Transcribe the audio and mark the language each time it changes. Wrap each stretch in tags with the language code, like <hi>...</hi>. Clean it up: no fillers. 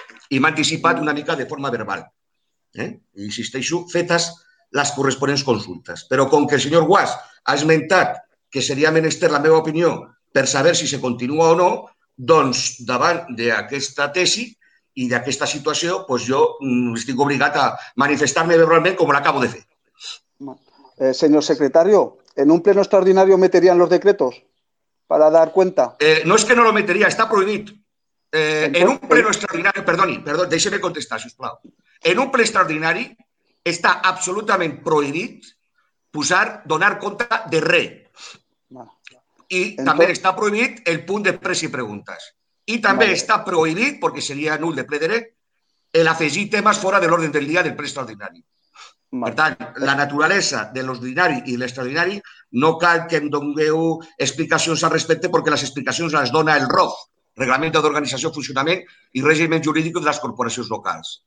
<ca>I m'ha anticipat una mica de forma verbal. Insisteixo, fetes les corresponents consultes. Però com que el senyor Guas ha esmentat que seria menester la meva opinió per saber si se continua o no, doncs davant d'aquesta tesi i d'aquesta situació, doncs jo estic obligat a manifestar-me verbalment com l'acabo de fer.</ca> <es>Senyor secretari, ¿en un pleno extraordinario meterían los decretos para dar cuenta? No es que no lo metería, está prohibido. En un pleno extraordinario, perdón, déjeme contestar,</es> <ca>si os plau.</ca> <es>En un pleno extraordinario está absolutamente prohibido donar cuenta de re. Y también está prohibido el punto de pres y preguntas.</es> <ca>I també està prohibit, perquè seria nul de ple dret, l'afegir temes fora de l'ordre del dia del ple extraordinari. Per tant, la naturalesa de l'ordinari i l'extraordinari no cal que em dongueu explicacions al respecte perquè les explicacions les dona el ROF, Reglament d'Organització, Funcionament i Règim Jurídic de les Corporacions Locals.</ca>